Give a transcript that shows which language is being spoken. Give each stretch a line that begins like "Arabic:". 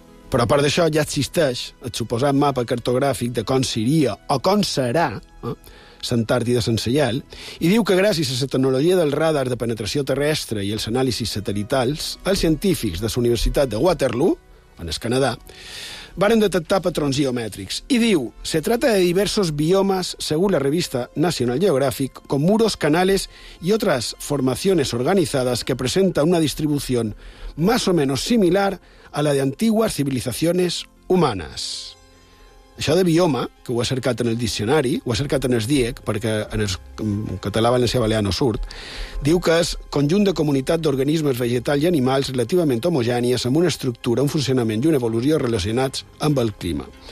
Catalan: Però a part d'això, ja existeix el suposat mapa cartogràfic de com seria o com serà l'Antàrtida sense gel, i diu que gràcies a la tecnologia del radar de penetració terrestre i els anàlisis satelitals, els científics de la Universitat de Waterloo, en el Canadà, varen detectar patrons geomètrics. I diu:
Spanish: "Se trata de diversos biomas, según la revista National Geographic, con muros, canales y otras formaciones organizadas que presenta una distribución más o menos similar a la de antiguas civilizaciones humanas".
Catalan: Això de bioma, que ho ha cercat en el diccionari, ho ha cercat en el DIEC, perquè en el català, valencià, balear no surt, diu que és conjunt de comunitat d'organismes vegetals i animals relativament homogènies amb una estructura, un funcionament i una evolució relacionats amb el clima.